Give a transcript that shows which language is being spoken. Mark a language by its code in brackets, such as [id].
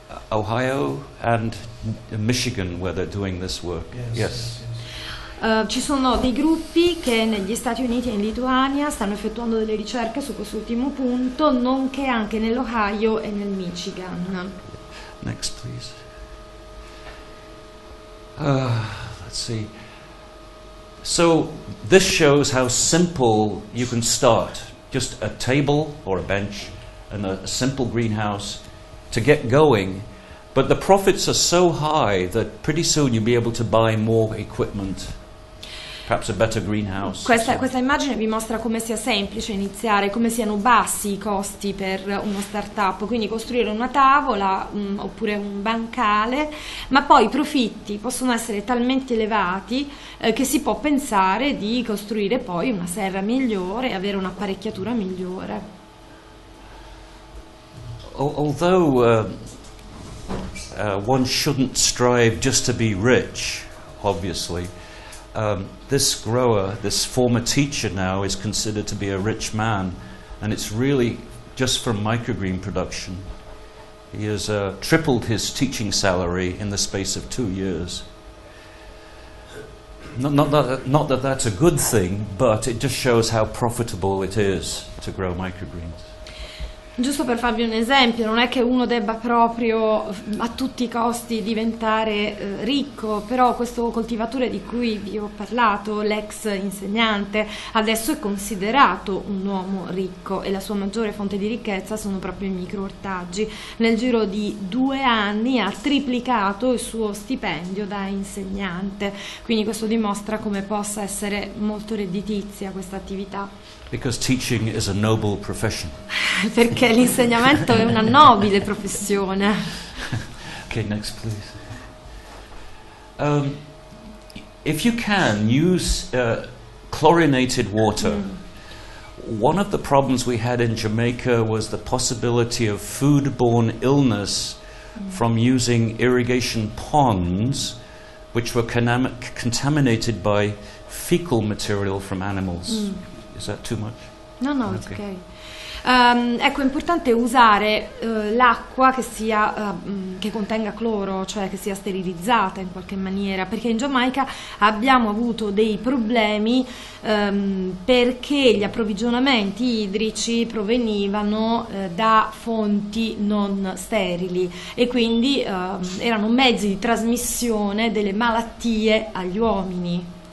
[en] Ohio and Michigan where they're doing this work. Yes. [it] Ci sono dei gruppi che negli Stati Uniti e in Lituania stanno effettuando delle ricerche su quest'ultimo punto, nonché anche nell'Ohio e nel Michigan. [en] Next, please. Let's see. So this shows how simple you can start. Just a table or a bench and a simple greenhouse to get going. But the profits are so high that pretty soon you'll be able to buy more equipment, perhaps a better greenhouse. [it] Questa immagine vi mostra come sia semplice iniziare, come siano bassi i costi per uno startup, quindi costruire una tavola oppure un bancale, ma poi i profitti possono essere talmente elevati che si può pensare di costruire poi una serra migliore, avere un'apparecchiatura migliore. [en] Although one shouldn't strive just to be rich, obviously. This grower, this former teacher now, is considered to be a rich man, and it's really just from microgreen production. He has tripled his teaching salary in the space of 2 years. Not that that's a good thing, but it just shows how profitable it is to grow microgreens. [it] Giusto per farvi un esempio, non è che uno debba proprio a tutti i costi diventare ricco, però questo coltivatore di cui vi ho parlato, l'ex insegnante, adesso è considerato un uomo ricco e la sua maggiore fonte di ricchezza sono proprio i microortaggi. Nel giro di 2 anni ha triplicato il suo stipendio da insegnante, quindi questo dimostra come possa essere molto redditizia questa attività. [en] Because teaching is a noble profession. [it] Perché l'insegnamento è una nobile professione. [en] Okay, next please. If you can use chlorinated water. One of the problems we had in Jamaica was the possibility of foodborne illness from using irrigation ponds which were contaminated by fecal material from animals. Is that too much? No, okay. It's okay. [it] Ecco, è importante usare l'acqua che sia che contenga cloro, cioè che sia sterilizzata in qualche maniera, perché in Giamaica abbiamo avuto dei problemi perché gli approvvigionamenti idrici provenivano da fonti non sterili e quindi erano mezzi di trasmissione delle malattie agli uomini.